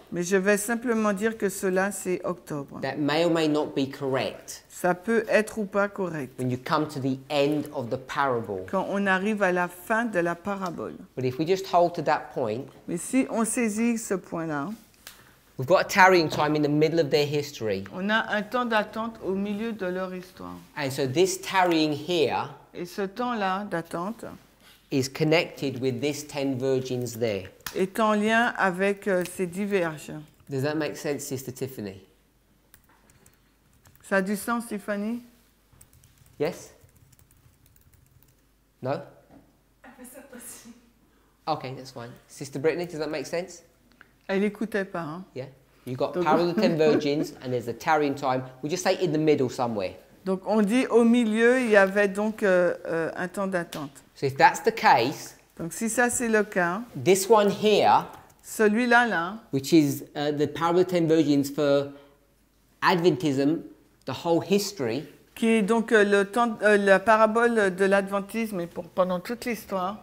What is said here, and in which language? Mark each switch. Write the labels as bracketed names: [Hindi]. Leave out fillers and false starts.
[French] Mais je vais simplement dire que cela, c'est octobre. [English] That may or may not be correct. [French] Ça peut être ou pas correct. [English] When you come to the end of the parable. [French] Quand on arrive à la fin de la parabole. [English] But if we just hold to that point. [French] Mais si on saisit ce point-là. [English] We've got a tarrying time in the middle of their history. [French] On a un temps d'attente au milieu de leur histoire. [English] And so this tarrying here. [French] Et ce temps-là d'attente. [English] Is connected with these 10 virgins there. [French] Est en lien avec ces 10 vierges. [English] Does that make sense, Sister Tiffany? [French] Ça a du sens, Tiffany? [English] Yes? No? Okay, that's fine. Sister Brittany, does that make sense? [French] Elle n'écoutait pas. Hein? [English] Yeah. You've got power of the 10 virgins and there's a tarrying time. We just say in the middle somewhere. [French] Donc on dit au milieu, il y avait donc un temps d'attente. [English] So if that's the case. [French] Donc si ça c'est le cas. [English] This one here. [French] Celui-là là. [English] Which is the power of the 10 virgins for Adventism. The whole history. [French] Qui est donc le temps, la parabole de l'adventisme et pour pendant toute l'histoire.